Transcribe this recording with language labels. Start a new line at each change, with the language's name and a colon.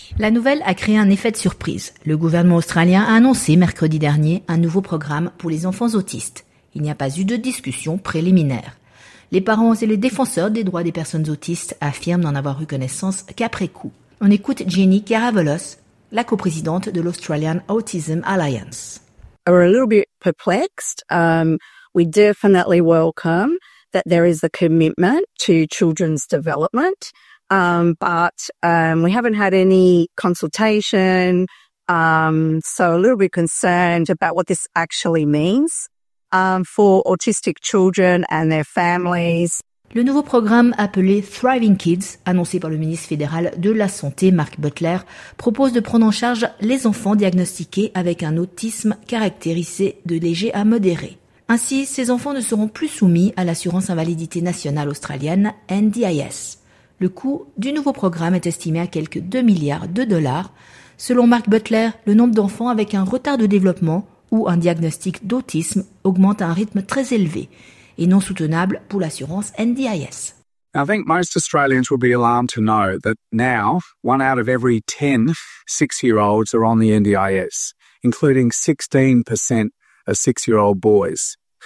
French: La nouvelle a créé un effet de surprise. Le gouvernement australien a annoncé mercredi dernier un nouveau programme pour les enfants autistes. Il n'y a pas eu de discussion préliminaire. Les parents et les défenseurs des droits des personnes autistes affirment n'en avoir eu connaissance qu'après coup. On écoute Jenny Karavolos, la coprésidente de l'Australian Autism Alliance.
English: Are a little bit perplexed. We definitely welcome that there is a commitment to children's development, but we haven't had any consultation, so a little bit concerned about what this actually means for autistic children and their families.
French: Le nouveau programme appelé Thriving Kids, annoncé par le ministre fédéral de la Santé, Mark Butler, propose de prendre en charge les enfants diagnostiqués avec un autisme caractérisé de léger à modéré. Ainsi, ces enfants ne seront plus soumis à l'assurance invalidité nationale australienne, NDIS. Le coût du nouveau programme est estimé à quelque 2 milliards de dollars. Selon Mark Butler, le nombre d'enfants avec un retard de développement ou un diagnostic d'autisme augmente à un rythme très élevé et non soutenable pour l'assurance NDIS.
English: I think most Australians will be alarmed to know that now, one out of every 10 six-year-olds are on the NDIS, including 16% of six-year-old boys.